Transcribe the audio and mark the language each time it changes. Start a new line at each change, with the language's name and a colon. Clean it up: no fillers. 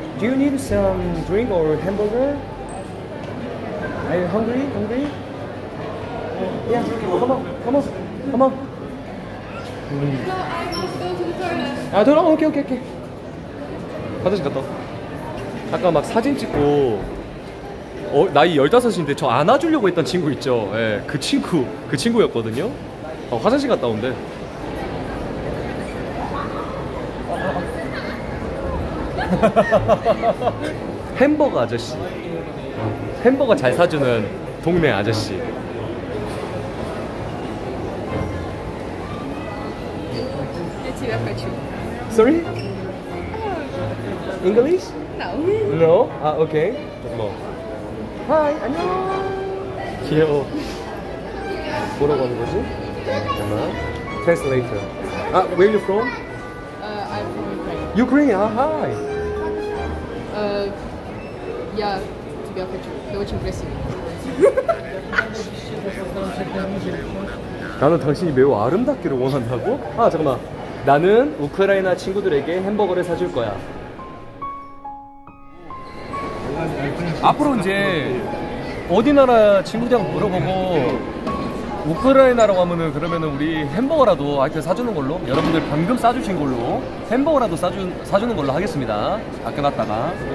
English: Do you need some drink or hamburger? Are you hungry? Yeah, come on. No, I have to go to the toilet. Ah, okay.
Korean: 화장실 갔다. 아까 막 사진 찍고 나이 15인데 저 안아주려고 했던 친구 있죠? 예, 그 친구였거든요. 화장실 갔다 온대. 햄버거 아저씨. 햄버거 잘 사주는 동네 아저씨. 지금
English: Sorry? English? No.
Korean: No? 아, okay. 뭐. Hi, 안녕. 귀여워. 뭐라고 하는 거지? 잠깐만. Translator. 아,
English: where are you from? I'm from Ukraine. Ukraine? Ah, hi. Yeah, to be honest, very impressive.
Korean: 나는 당신이 매우 아름답기를 원한다고? 아 잠깐만, 나는 우크라이나 친구들에게 햄버거를 사줄 거야. 앞으로 이제 어디 나라 친구들한테 물어보고 우크라이나라고 하면은 그러면은 우리 햄버거라도 하여튼 사주는 걸로, 여러분들 방금 싸주신 걸로 햄버거라도 사주는 걸로 하겠습니다. 아 끝났다가.